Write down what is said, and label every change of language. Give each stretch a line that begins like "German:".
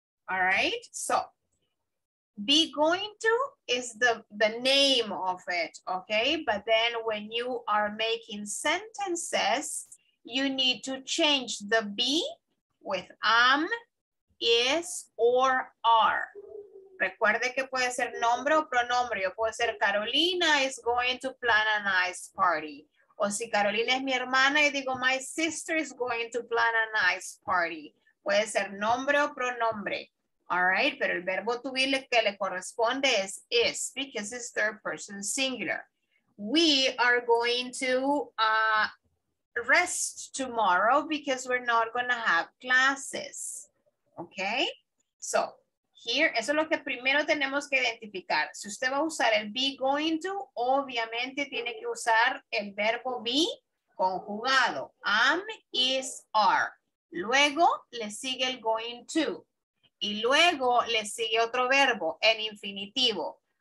English: All right, so be going to is the name of it, okay? But then when you are making sentences, you need to change the be with am, is, or are.
Spanish: Recuerde que puede ser nombre o pronombre. Yo puedo ser
English: Carolina is going to plan a nice party.
Spanish: O si Carolina es mi hermana, y digo
English: my sister is going to plan a nice party.
Spanish: Puede ser nombre o pronombre. All right, pero el verbo to be que le corresponde es is,
English: because it's third person singular. We are going to rest tomorrow because we're not gonna have classes, okay?
Spanish: So here, eso es lo que primero tenemos que identificar. Si usted va a usar el be going to, obviamente tiene que usar el verbo be conjugado. Am, is, are. Luego le sigue el going to. Y luego le sigue otro verbo en infinitivo.